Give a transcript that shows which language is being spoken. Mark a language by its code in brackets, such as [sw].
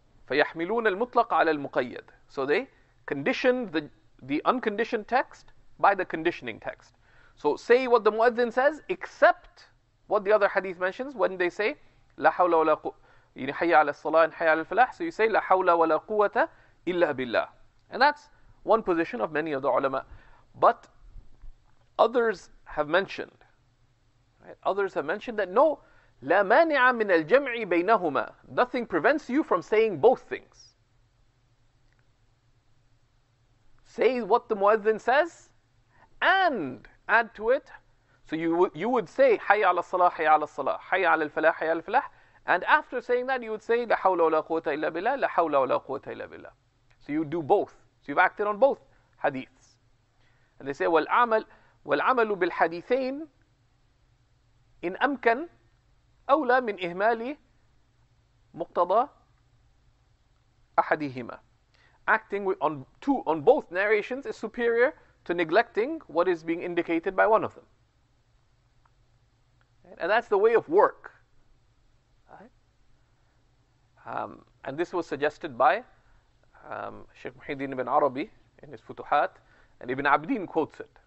[ar] فَيَحْمِلُونَ الْمُطْلَقَ عَلَى الْمُقَيَّدِ. [en] So they conditioned the unconditioned text by the conditioning text. So say what the muezzin says, except what the other hadith mentions when they say [ar] لَا حَوْلَ وَلَا قُوَّةَ يَعْنِ حَيَّ عَلَى الصَّلَاةِ حَيَّ عَلَى الْفَلَاحِ. [en] So you say [ar] لَا حَوْلَ وَلَا قُوَّةَ إِلَّا بِاللَّهِ. [en] And that's one position of many of the ulama. But others have mentioned, others have mentioned that no, [ar] لا مانع من الجمع بينهما. [en] Nothing prevents you from saying both things. Say what the muezzin says and add to it. So you would say [ar] حي على الصلاة حي على الصلاة حي على الفلاح حي على الفلاح. [en] And after saying that you would say [ar] لا حول ولا قوة إلا بالله لا حول ولا قوة إلا بالله. [en] So you do both. So you've acted on both hadiths. And they say [ar] والعمل بالحديثين إن أمكن أولى من إهمال مقتضى أحدهما. [en] Acting on both narrations is superior to neglecting what is being indicated by one of them. And that's the way of work. And this was suggested by Sheikh Muhyiddin ibn Arabi in his Futuhat, and Ibn Abdin quotes it.